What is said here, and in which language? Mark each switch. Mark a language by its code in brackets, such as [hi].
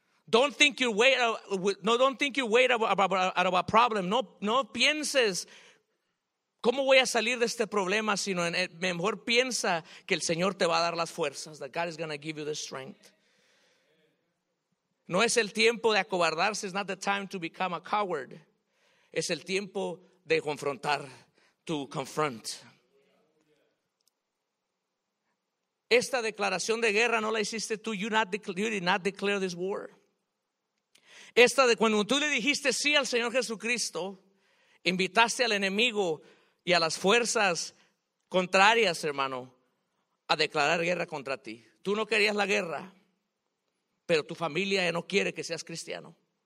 [en] Don't think you wait out of a problem. [es] No pienses cómo voy a salir de este problema, sino en, mejor piensa que el Señor te va a dar las fuerzas. [en] That God is going to give you the strength. [es] No es el tiempo de acobardarse. [en] It's not the time to become a coward. [es] Es el tiempo de confrontar. [en] To confront. [es] Esta declaración de guerra no la hiciste tú. [en] You did not declare this war. [es] Esta de cuando tú le dijiste sí al Señor Jesucristo, invitaste al enemigo y a las fuerzas contrarias, hermano, a declarar guerra contra ti. Tú no querías la guerra, pero tu familia ya no quiere que seas cristiano.